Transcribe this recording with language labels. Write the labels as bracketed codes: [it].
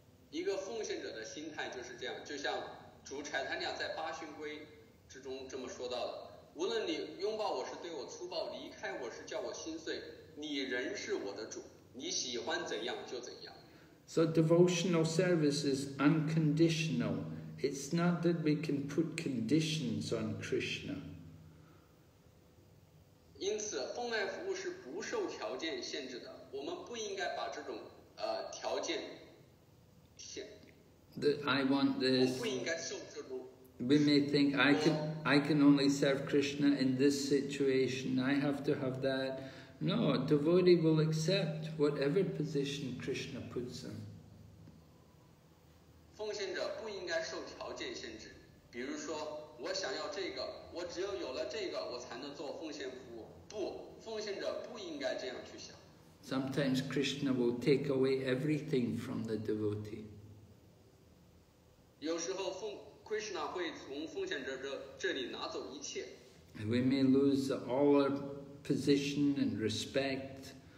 [zh] 一个奉献者的心态就是这样，就像主柴坦尼亚在八旬归之中这么说到的，无论你拥抱我是对我粗暴，离开我是叫我心碎，你仍是我的主，你喜欢怎样就怎样。 [en] So devotional service is unconditional. It's not that we can put conditions on Krishna. [zh] 因此奉爱服务是不受条件限制的，我们不应该把这种条件限制。 [en] That I want this. We may think I can only serve Krishna in this situation. I have to have that. No, a devotee will accept whatever position Krishna puts him. [zh] 奉献者不应该受条件限制，比如说我想要这个，我只有有了这个，我才能做奉献服务。不，奉献者不应该这样去想。 [en] Sometimes Krishna will take away everything from the devotee. [zh] 有时候Krishna 会从奉献者这里拿走一切。 [en] We may lose all our position and respect.